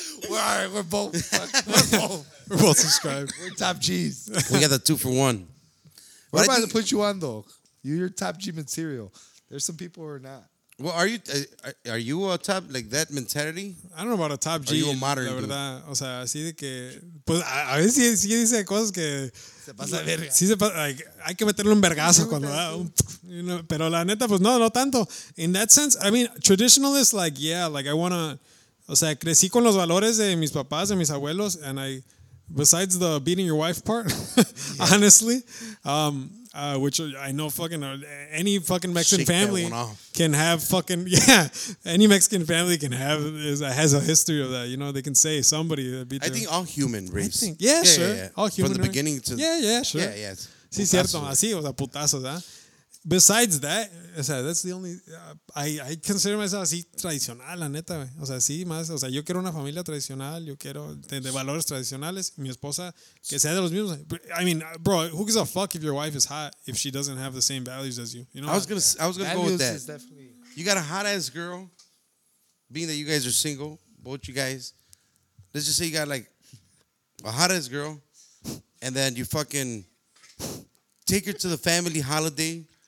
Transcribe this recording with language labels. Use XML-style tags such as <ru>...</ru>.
<en>We're all right. We're both subscribed. We're top G's. We got the 2-for-1. What about to put you on though? You're top G material. There's some people who are not. Well, are you a top like that mentality? I don't know about a top G. Are you a modern?</en> <es>La verdad, o sea, así de que, pues a veces sí dice cosas que se pasa la, verga. Sí se pasa, like, hay que meterle un vergazo cuando da. Pero la neta, pues no tanto.</es> <en>In that sense, I mean, traditionalist, like yeah, like I wanna.</en> <es>O sea, crecí con los valores de mis papás, de mis abuelos,</es> <en>and I, besides the beating your wife part, yeah. Honestly, which I know fucking any fucking Mexican shake family can have fucking, yeah, any Mexican family can have, has a history of that, you know, they can say somebody that beat I think all human race. I think, yeah, yeah, sure. Yeah, yeah. All human from the race. Beginning to... Yeah, yeah, sure. Yeah, yeah.</en> <es>Putazos. Sí, cierto, así, o sea, putazos, ¿eh?</es> <en>Besides that,</en> <es>o sea,</es> <en>that's the only I consider myself</en> <es>así tradicional, la neta, wey. O sea, sí, más, o sea, yo quiero una familia tradicional, yo quiero de valores tradicionales, mi esposa que sea de los mismos.</es> <en>I mean, bro, who gives a fuck if your wife is hot if she doesn't have the same values as you? You know, I was gonna go with that. You got a hot ass girl, being that you guys are single, both you guys. Let's just say you got like a hot ass girl, and then you fucking take her to the family holiday.</en>